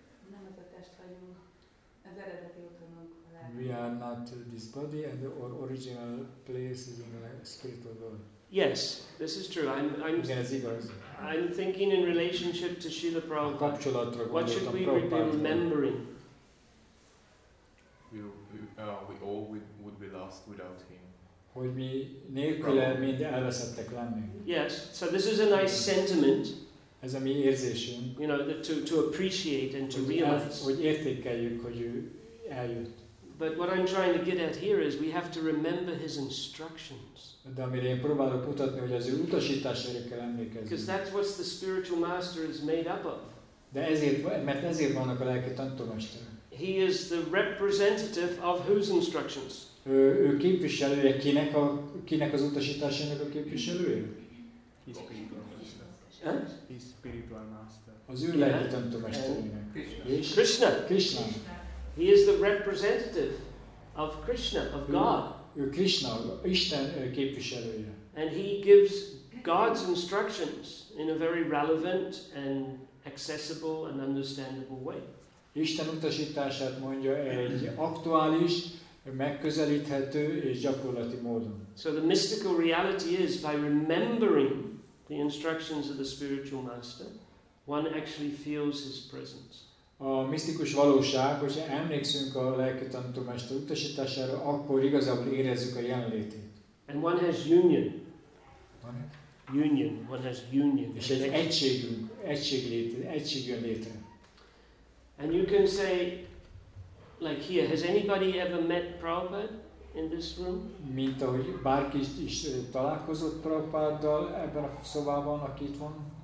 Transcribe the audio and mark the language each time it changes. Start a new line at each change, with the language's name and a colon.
Hungarian: Nem ez a test vagyunk, az eredeti otthonunk.
English: We are not this body and our original place is in the spirit of God. Yes, this is true. I'm thinking in relationship to Srila Prabhupada. What should we be remembering? We would be lost without him.
Hungarian: Hogy mi nélküle mind elveszettek lennénk.
English: Yes, so this is a nice sentiment.
Hungarian: Ez a mi érzésünk.
English: You know, to appreciate and to realize.
Hungarian: Hogy értékeljük, hogy ő eljött.
English: But what I'm trying to get at here is we have to remember his instructions.
Hungarian: De amire én próbálok mutatni, hogy az ő utasításaira kell emlékezni.
English: Because that's what the spiritual master is made up of.
Hungarian: De ezért, mert ezért vannak a lelki tanítómesterek.
English: He is the representative of whose instructions?
Hungarian: Ő képviselője, kinek az utasításainak a képviselője?
English: His spiritual master.
Hungarian: Az ő lelki tanítómesterének.
English: Krishna. He is the representative of Krishna, of God.
Hungarian: Ő Krishna, Isten képviselője.
English: And he gives God's instructions in a very relevant and accessible and understandable way.
Hungarian: Isten utasítását mondja egy aktuális, megközelíthető és gyakorlati módon.
English: So the mystical reality is by remembering the instructions of the spiritual master, one actually feels his presence.
Hungarian: A misztikus valóság, hogyha emlékszünk a lelki tanítómester utasítására, akkor igazából érezzük a jelenlétét.
English: And one has union. Union. One has union.
Hungarian: És egy egységünk, egység jön létre.
English: And you can say, like here, has anybody ever met Prabhupada in this room?
Hungarian: Mint ahogy bárki is találkozott Prabhupáddal ebben a szobában, aki itt van?